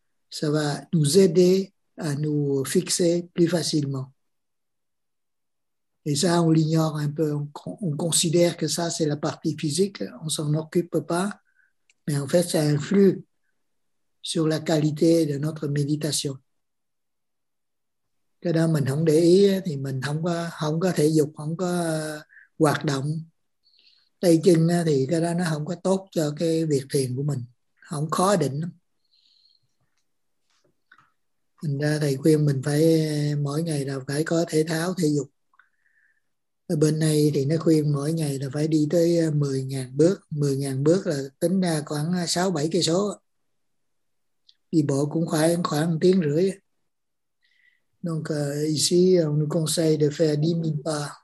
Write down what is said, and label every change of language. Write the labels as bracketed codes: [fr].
[fr] Ça va nous aider à nous fixer plus facilement. Et ça, on l'ignore un peu. On considère que ça, c'est la partie physique. On ne s'en occupe pas. Mais en fait, ça influe sur la qualité de notre méditation. [vi] Cái đó mình không để ý thì mình không có thể dục, không có hoạt động. Tay chân thì cái đó nó không có tốt cho cái việc thiền của mình, không khó định lắm. Thành ra thầy khuyên mình phải mỗi ngày là phải có thể thao, thể dục. Ở bên này thì nó khuyên mỗi ngày là phải đi tới 10.000 bước. 10.000 bước là tính ra khoảng 6-7 cây số. Đi bộ cũng khoảng 1.5 tiếng. [fr] Donc ici, on nous conseille de faire 10.000 pas.